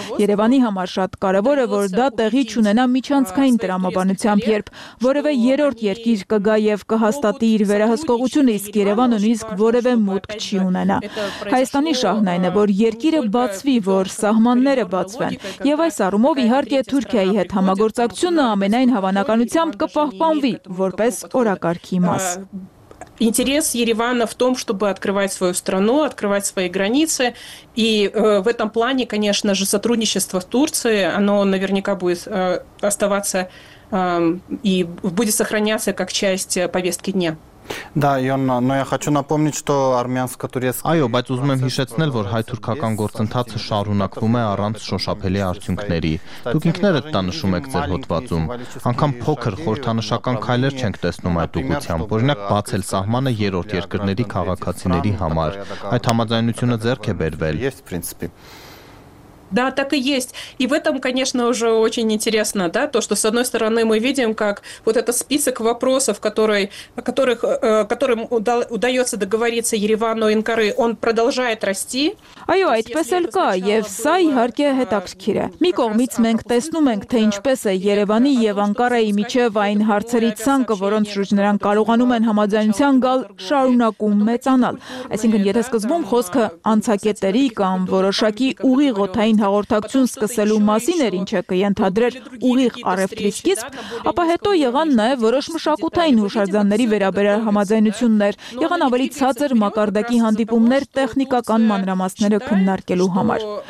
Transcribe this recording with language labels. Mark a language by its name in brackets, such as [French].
[Armenian] Երևանի համար շատ կարևոր է, որ դա տեղի չունենա միջանցքային տրամաբանությամբ, երբ որևէ երրորդ երկիր կգա եւ կհաստատի իր վերահսկողությունը, իսկ Երևանը նույնիսկ որևէ մուտք չի ունենա։ Հայաստանի շահն այն է, որ երկիրը բացվի, որ սահմանները բացվեն, եւ այս առումով իհարկե Թուրքիայի հետ համագործակցությունը ամենայն հավանականությամբ կպահպանվի որպես օրակարգի մաս։ [Russian] Интерес Еревана в том, чтобы открывать свою страну, открывать свои границы. И в этом плане, конечно же, сотрудничество с Турцией, оно наверняка будет оставаться и будет сохраняться как часть повестки дня. Да, Йонна, но я хочу напомнить, что армянско-турецкий... [Armenian] Այո, բայց ուզում եմ հիշեցնել, որ հայ-թուրքական գործընթացը շարունակվում է առանց շոշափելի արդյունքների։ Դուք ինքներդ դա նշում եք ձեր հոդվածում։ Անգամ փոքր խորհրդանշական քայլեր չենք տեսնում այդ ուղությամբ, օրինակ բացել սահմանը երրորդ երկրների քաղաքացիների համար։ Այդ համաձայնությունը ձեռք է բերվել։ [Russian] Да, так и есть. И в этом, конечно, уже очень интересно, да, то, что с одной стороны мы видим, как вот этот список вопросов, которым удается договориться Еревану и Анкаре, он продолжает расти. [Armenian] Այո, այդպես էլ կա, եւ սա իհարկե հետաքրքիր է։ Մի կողմից մենք տեսնում ենք, թե ինչպես է Երևանի եւ Անկարայի միջև այն հարցերի ցանկը, որոնց շուրջ նրանք կարողանում են համաձայնության գալ, շարունակում մեծանալ։ Այսինքն, եթե սկզբում խոսքը անցակետերի կամ որոշակի ուղիղ օթային հաղորդակցություն սկսելու մասին էր, ինչը կենթադրեր ուղիղ առևտրի սկիզբ, ապա հետո եղան նաեւ որոշ մշակութային հուշարձանների վերաբերյալ համաձայնություններ, եղան ավելի ցածր մակարդակի հանդիպումներ տեխնիկական մանրամասն քննարկելու համար։